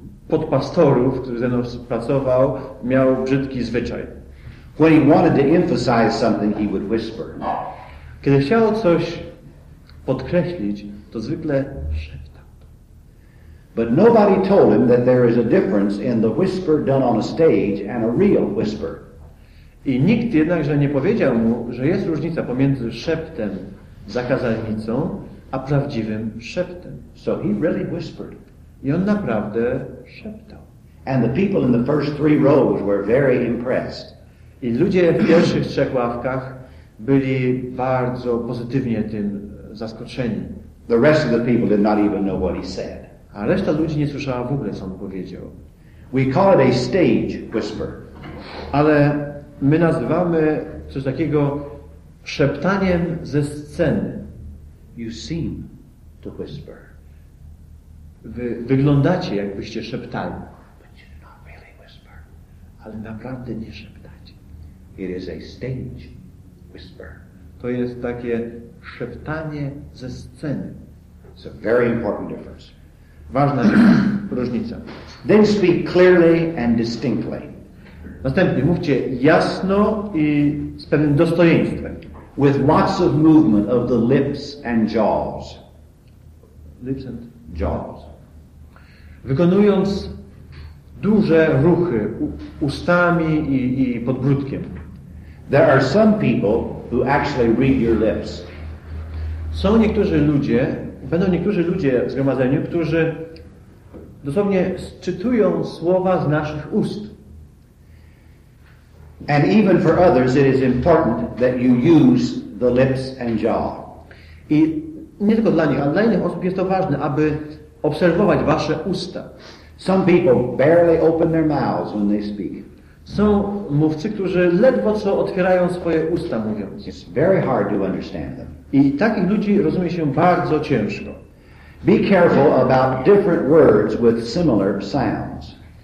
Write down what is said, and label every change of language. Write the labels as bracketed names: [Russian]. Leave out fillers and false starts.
[Polish] podpastorów, który ze mną pracował, miał brzydki zwyczaj. [English] When he wanted to emphasize something, he would whisper. [Polish] Kiedy chciał coś podkreślić, to zwykle szeptał. [English] But nobody told him that there is a difference in the whisper done on a stage and a real whisper. [Polish] I nikt jednakże nie powiedział mu, że jest różnica pomiędzy szeptem za kazalnicą a prawdziwym szeptem. [English] So he really whispered. [Polish] I on naprawdę szeptał. [English] And the people in the first three rows were very impressed. [Polish] I ludzie w pierwszych trzech ławkach byli bardzo pozytywnie tym zaskoczeni. [English] The rest of the people did not even know what he said. [Polish] A reszta ludzi nie słyszała w ogóle, co on powiedział. [English] We call it a stage whisper. [Polish] Ale my nazywamy coś takiego szeptaniem ze sceny. [English] You seem to whisper. [Polish] Wyglądacie, jakbyście szeptali. [English] But you do not really whisper. [Polish] Ale naprawdę nie szeptacie. [English] It is a stage whisper. [Polish] To jest takie szeptanie ze sceny. [English] It's a very important difference. [Polish] Ważna różnica. [English] Then speak clearly and distinctly. [Polish] Następnie mówcie jasno i z pewnym dostojeństwem. [English] With lots of movement of the lips and jaws. Lips and jaws. [Polish] Wykonując duże ruchy ustami i podbródkiem. [English] There are some people who actually read your lips. [Polish] Są niektórzy ludzie, będą niektórzy ludzie w zgromadzeniu, którzy dosłownie czytują słowa z naszych ust. [English] And even for others it is important that you use the lips and jaw. [Polish] I nie tylko dla nich, ale dla innych osób jest to ważne, aby obserwować wasze usta. [English] Some people barely open their mouths when they speak. [Polish] Są mówcy, którzy ledwo co otwierają swoje usta mówiąc. [English] It's very hard to understand them. [Polish] I takich ludzi rozumie się bardzo ciężko. [English] Be careful about different words with similar sounds.